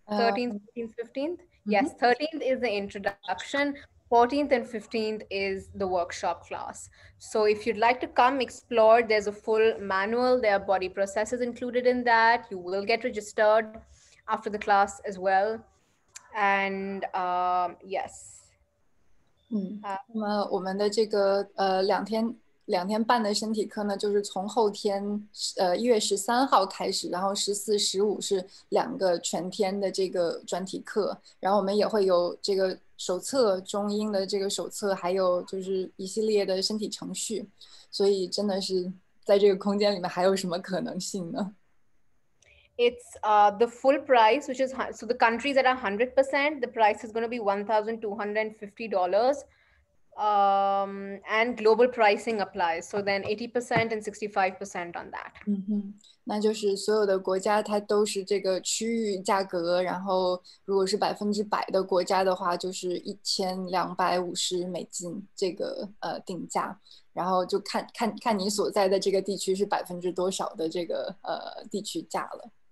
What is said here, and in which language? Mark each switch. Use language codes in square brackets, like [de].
[en] 13th, 14th, 15th? Mm-hmm. Yes, 13th is the introduction. 14th and 15th is the workshop class. So if you'd like to come explore, there's a full manual. There are body processes included in that. You will get registered after the class as well. And yes. [zh] 那么我们的这个两天半的身体课呢，就是从后天1月13号开始，然后14、15是两个全天的这个专题课，然后我们也会有这个手册，中英的这个手册，还有就是一系列的身体程序。所以真的是在这个空间里面还有什么可能性呢？ [en] It's the full price, which is, so the countries that are 100%, the price is going to be $1,250. And global pricing applies. So then 80% and 65% on that. Mm-hmm. [zh] 那就是所有的国家它都是这个区域价格，然后如果是100%的国家的话，就是$1,250这个定价。然后就看你所在的这个地区是百分之多少的这个地区价了。